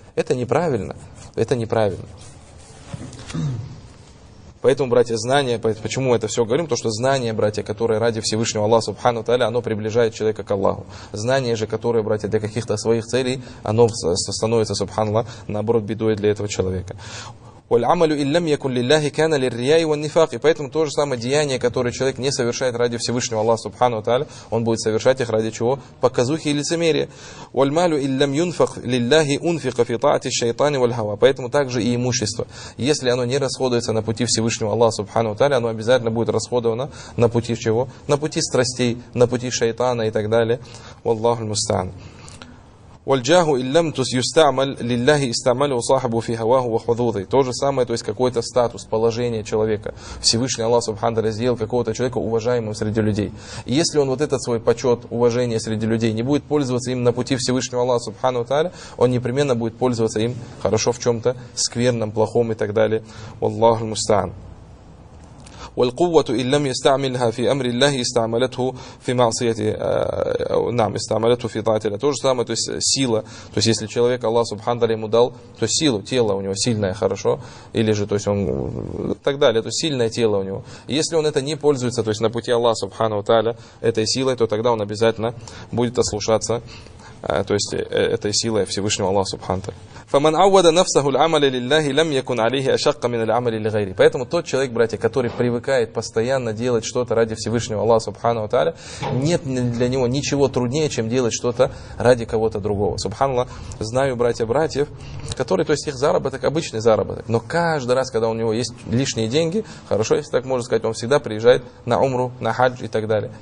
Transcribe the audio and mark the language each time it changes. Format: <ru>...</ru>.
<ru>Это неправильно, это неправильно. Поэтому, братья, знание, почему мы это все говорим, то, что знание, братья, которое ради Всевышнего Аллаха, субхану тааля, оно приближает человека к Аллаху. Знание же, которое, братья, для каких-то своих целей, оно становится, субханаллах, наоборот, бедой для этого человека.</ru> <ar>والعمل إن لم يكن لله كان للرياء والنفاق.</ar> <ru>И поэтому то же самое деяние, которое человек не совершает ради Всевышнего Аллаха Субхану Тааля, он будет совершать их ради чего? Показухи и лицемерия.</ru> <ar>والمال إن لم ينفق لله أنفق في طاعة الشيطان والهوى.</ar> <ru>Поэтому также и имущество. Если оно не расходуется на пути Всевышнего Аллаха Субхану Тааля, оно обязательно будет расходовано на пути чего? На пути страстей, на пути шайтана и так далее.</ru> <ar>والله المستعان. والجاه إن لم يستعمل لله استعمله صاحبه في هواه وحظوظه.</ar> <ru>То же самое, то есть какой-то статус, положение человека. Всевышний Аллах Субхану Тааля сделал какого-то человека уважаемым среди людей. И если он вот этот свой почет, уважение среди людей не будет пользоваться им на пути Всевышнего Аллаха Субхану Тааля, он непременно будет пользоваться им хорошо в чем-то скверном, плохом и так далее.</ru> <ar>والله المستعان. والقوة إن لم يستعملها في أمر الله استعملته في معصيته نعم استعملته في طاعته.</ar> <ru>То же самое, то есть сила, то есть если человек Аллах Субхану Тааля ему дал, то силу, тело у него сильное, хорошо, или же, то есть он так далее, то есть сильное тело у него. Если он это не пользуется, то есть на пути Аллаха Субхану Тааля этой силой, то тогда он обязательно будет ослушаться, то есть этой силой Всевышнего Аллаха Субхану Тааля.</ru> <ar>فمن عود نفسه العمل لله لم يكن عليه أشق من العمل لغيره.</ar> <ru>Поэтому тот человек, братья, который привыкает постоянно делать что-то ради Всевышнего Аллаха Субхану Тааля, нет для него ничего труднее, чем делать что-то ради кого-то другого. Субханаллах, знаю братьев, которые, то есть их заработок обычный заработок, но каждый раз, когда у него есть лишние деньги, хорошо, если так можно сказать, он всегда приезжает на умру, на хадж и так далее.</ru>